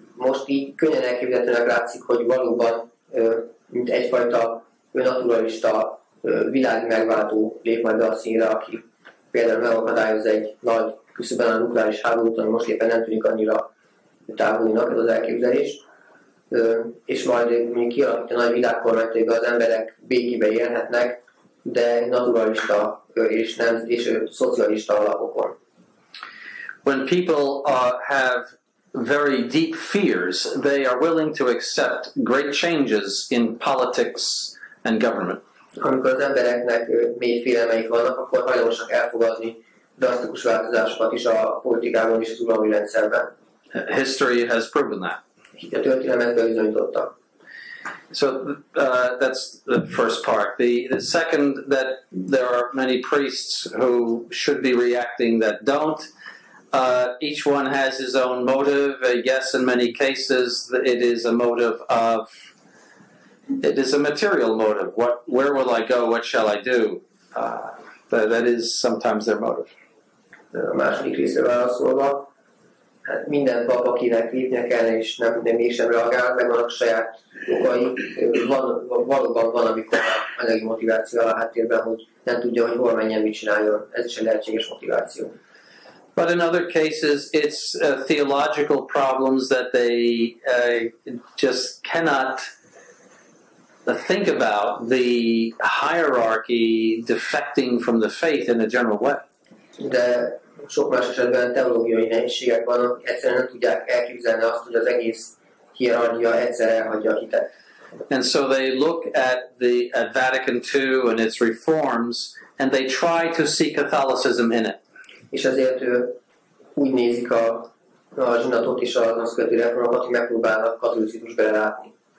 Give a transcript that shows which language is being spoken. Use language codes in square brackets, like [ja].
[hu] Most így könnyen elképzelhetőnek látszik, hogy valóban, mint egyfajta naturalista világ megváltó lép majd be a színre, aki például megakadályoz egy nagy küszöben a nukleáris háborút, ami most éppen nem tűnik annyira távolinak ez az elképzelés, és majd kialakít a nagy világkormánytőbe, az emberek békében élhetnek, de naturalista és, nem, és szocialista alapokon. [en] When people have very deep fears, they are willing to accept great changes in politics and government. [hu] Amikor az embereknek mély félelmeik vannak, akkor hajlamosak elfogadni drasztikus változásokat is a politikában és az uralmi rendszerben. [en] History has proven that. [hu] A történelem ezt bebizonyította. [en] So that's the first part. The second, that there are many priests who should be reacting that don't. Each one has his own motive. Yes, in many cases, it is a motive of, it is a material motive. What, where will I go? What shall I do? That is sometimes their motive. [hu] A második része válaszolva, hát minden pap, akinek lépnie kell, és nem mégsem reagál, meg vannak saját okai, valóban van, amikor anyagi motiváció a háttérben, hogy nem tudja, hogy hol menjen, mit csináljon. Ez is egy lehetséges motiváció. [en] But in other cases, it's theological problems that they just cannot think about the hierarchy defecting from the faith in a general way. [hu] De sok más esetben teológiai nehézségek vannak, egyszerűen nem tudják elképzelni azt, hogy az egész hierarchia egyszer elhagyja a hitet. [en] And so they look at the at Vatican II and its reforms, and they try to see Catholicism in it. [hu] És ezért úgy nézik a zsinatot és az azt követő reformokat, hogy megpróbálnak katolicizmus belelátni.